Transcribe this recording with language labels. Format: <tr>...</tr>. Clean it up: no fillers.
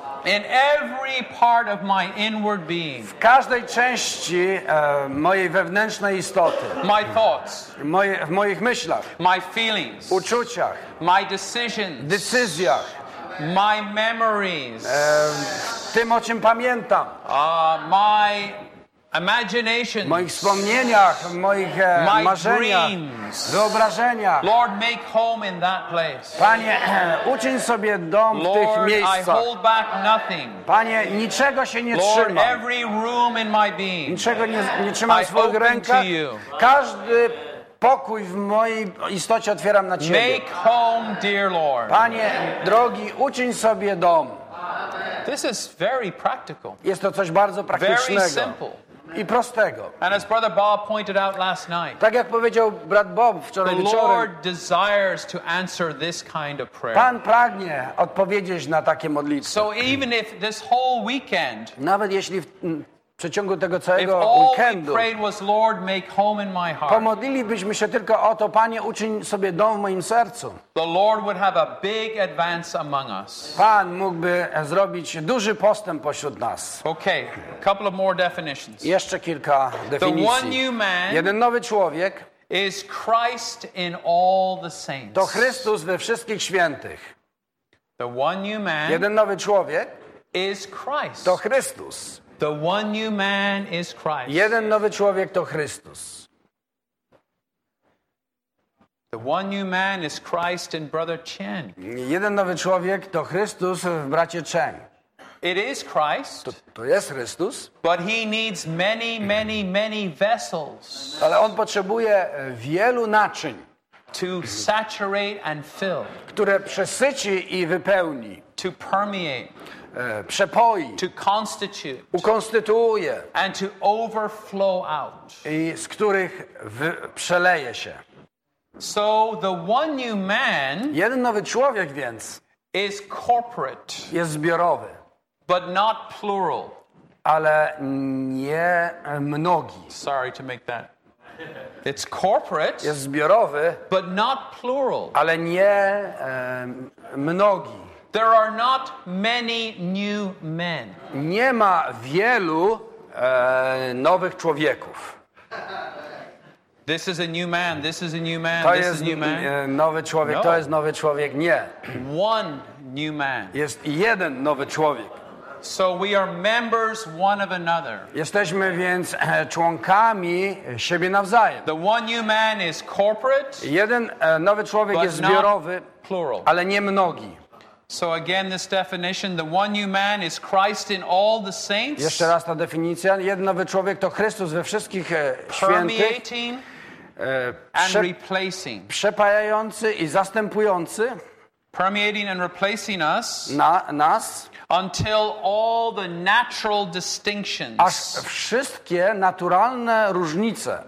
<en>in every part of my inward being.</en> <pl>W każdej części mojej wewnętrznej istoty.</pl> <en>My thoughts.</en> <pl>W moich myślach.</pl> <en>My feelings.</en> <pl>Uczuciach.</pl> <en>My decisions.</en> <pl>Decyzjach.</pl> <en>My memories.</en> <pl>Tym, o czym pamiętam.</pl> <en>My imagination,</en> <pl>moich wspomnieniach, moich marzeniach, wyobrażeniach.</pl> <en>Lord, make home in that place.</en> <pl>Panie, uczyń sobie dom</pl> <en>Lord,</en> <pl>w tych miejscach.</pl> <en>I hold back nothing.</en> <pl>Panie, niczego się nie</pl> <en>Lord,</en> <pl>trzymam.</pl> <en>Every room in my being.</en> <pl>Niczego nie trzymam w swoich rękach. Każdy pokój w mojej istocie otwieram na Ciebie.</pl> <en>Make home, dear Lord.</en> <pl>Panie, drogi, uczyń sobie dom.</pl> <en>This is very practical.</en> <pl>Jest to coś bardzo praktycznego.</pl> <en>Very simple.</en> <pl>I prostego.</pl> <en>And as Brother Bob pointed out last night.</en> <pl>Tak jak powiedział brat Bob wczoraj wieczorem.</pl> <en>The Lord desires to answer this kind of prayer.</en> <pl>Pan pragnie odpowiedzieć na takie modlitwy.</pl> <en>So even if this whole weekend.</en> <pl>Nawet jeśli w przeciągu tego całego</pl> <en>if all</en> <pl>weekendu.</pl> <en>We prayed was, Lord, make home in my heart.</en> <pl>Pomodlilibyśmy się tylko o to, Panie, uczyń sobie dom w moim sercu.</pl> <en>The Lord would have a big advance among us.</en> <pl>Pan mógłby zrobić duży postęp pośród nas.</pl> <en>Okay, a couple of more definitions.</en> <pl>Jeszcze kilka definicji.</pl> <en>The one new man.</en> <pl>Jeden nowy człowiek.</pl> <en>Is Christ in all the saints.</en> <pl>To Chrystus we wszystkich świętych.</pl> <en>The one new man.</en> <pl>Jeden nowy człowiek.</pl> <en>Is Christ.</en> <pl>To Chrystus.</pl> <en>The one new man is Christ.</en> <pl>Jeden nowy człowiek to Chrystus.</pl> <en>The one new man is Christ in brother Chen.</en> <pl>Jeden nowy człowiek to Chrystus w bracie Chen.</pl> <en>It is Christ.</en> <pl>To jest Chrystus.</pl> <en>But he needs many, many, many vessels.</en> <pl>Ale on potrzebuje wielu naczyń.</pl> <en>To saturate and fill.</en> <pl>Które przesyci i wypełni.</pl> <en>To permeate.</en> <pl>Przepoi,</pl> <en>to constitute,</en> <pl>ukonstytuuje,</pl> <en>and to overflow out.</en> <pl>I z których przeleje się.</pl> <en>So the one new man,</en> <pl>jeden nowy człowiek więc,</pl> <en>is corporate,</en> <pl>jest zbiorowy,</pl> <en>but not plural,</en> <pl>ale nie mnogi.</pl> <en>Sorry to make that. It's corporate,</en> <pl>jest zbiorowy,</pl> <en>but not plural,</en> <pl>ale nie mnogi.</pl> <en>There are not many new men.</en> <pl>Nie ma wielu nowych człowieków.</pl> <en>This is a new man. This is a new man.</en> <pl>To</pl> <en>this</en> <pl>jest</pl> <en>is a new man.</en> <pl>Nowy człowiek.</pl> <en>No.</en> <pl>To jest nowy człowiek. Nie.</pl> <en>One new man.</en> <pl>Jest jeden nowy człowiek.</pl> <en>So we are members one of another.</en> <pl>Jesteśmy więc członkami siebie nawzajem.</pl> <en>The one new man is corporate.</en> <pl>Jeden nowy człowiek</pl> <en>but</en> <pl>jest zbiorowy.</pl> <en>Not plural.</en> <pl>Ale nie mnogi.</pl> <en>So again, this definition: the one new man is Christ in all the saints.</en> <pl>Jeszcze raz ta definicja: jeden nowy człowiek to Chrystus we wszystkich świętych.</pl> <en>Permeating and replacing.</en> <pl>Przepajający i zastępujący.</pl> <en>Permeating and replacing us.</en> <pl>Nas.</pl> <en>Until all the natural distinctions.</en> <pl>Aż wszystkie naturalne różnice.</pl>